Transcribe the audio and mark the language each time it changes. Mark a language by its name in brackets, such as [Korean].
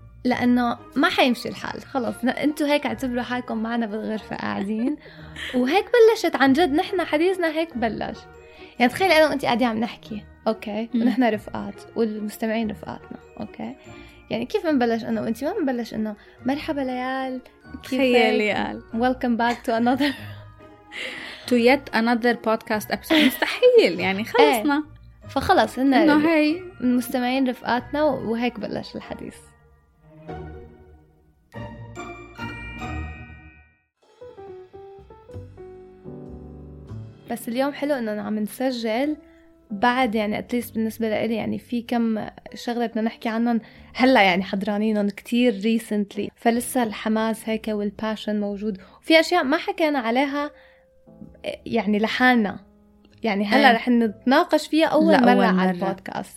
[Arabic] لأنه ما حيمشي الحال خلاص. أنتوا هيك اعتبروا حالكم معنا بالغرفة قاعدين. وهيك بلشت عن جد. نحنا حديثنا هيك بلش. يعني تخيلي أنا وأنتي قاعدين عم نحكي. أوكي. ونحنا رفقات والمستمعين رفقاتنا. أوكي. يعني كيف نبلش أنا وأنتي؟ ما نبلش إنه مرحبا ليال. تخيل ليال. [English] Welcome back to another to yet another podcast episode. [Arabic] مستحيل يعني خلصنا. فخلص إنه هاي المستمعين رفقاتنا وهيك بلش الحديث. بس اليوم حلو إننا عم نسجل بعد يعني [English] at least [Arabic] بالنسبة لإلي يعني في كم شغلة بدنا نحكي عنهم هلا يعني حضرانينهم كتير [English] recently [Arabic] فلسه الحماس هيك [English] والباشن [Arabic] موجود وفي أشياء ما حكينا عليها يعني لحالنا يعني هلا رح نتناقش فيها أول مرة على البودكاست